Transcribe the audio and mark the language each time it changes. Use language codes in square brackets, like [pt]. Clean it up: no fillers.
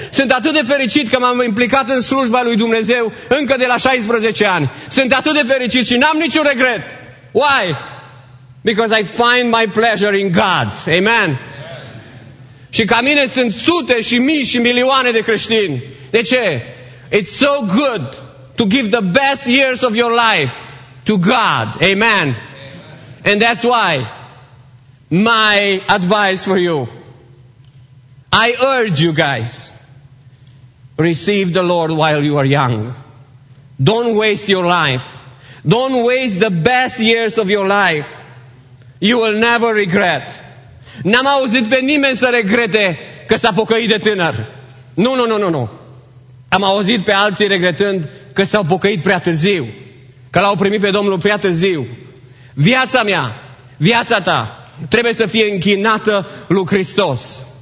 [ro] Sunt atât de fericit că m-am implicat în slujba lui Dumnezeu încă de la 16 ani. Sunt atât de fericit și n-am niciun regret. [en] Why? Because I find my pleasure in God. Amen. [ro] Și ca mine sunt sute și mii și milioane de creștini. De ce? [en] It's so good to give the best years of your life to God. Amen. Amen. And that's why my advice for you. I urge you guys, receive the Lord while you are young. Don't waste your life. Don't waste the best years of your life. You will never regret. [ro] N-am auzit pe nimeni să regrete că s-a pocăit de tânăr. Nu. Am auzit pe alții regretând că s-au pocăit prea târziu, că l-au primit pe Domnul prea târziu. Viața mea, viața ta, trebuie să fie închinată lui Hristos.